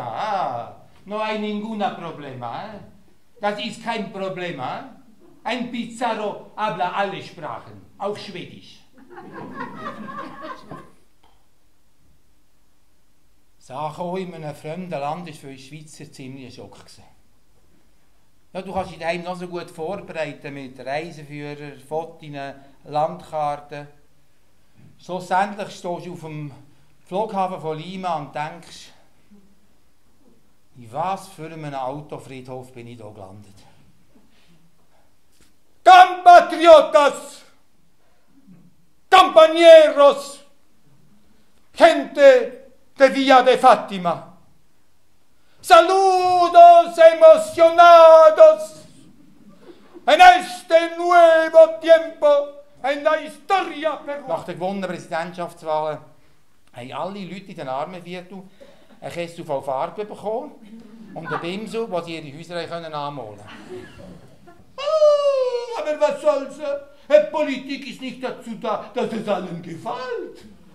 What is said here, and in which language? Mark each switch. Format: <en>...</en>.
<es>Ah, no hay ningún problema.</es> <de>Das ist kein Problem. Ein Pizarro</de> <es>habla</es> <de>alle Sprachen, auch Schwedisch. Sache in einem fremden Land ist für die Schweizer ziemlich ein Schock gewesen. Ja, du kannst dich daheim noch so gut vorbereiten mit Reiseführer, Fotos, Landkarten. Schlussendlich stehst du auf dem Flughafen von Lima und denkst, in was für einem Autofriedhof bin ich hier gelandet?</de> <es>Compatriotas! Compañeros! Gente de Via de Fátima! Saludos emocionados en este nuevo tiempo en la historia peruana.</es> <de>Nach der gewonnenen Präsidentschaftswahl haben alle Leute in den Armenviertel ein Kessel voll Farbe bekommen und ein Bimsel, wo sie ihre Häuser anmalen können. Oh, aber was soll's? Die Politik ist nicht dazu da, dass es allen gefällt.</de>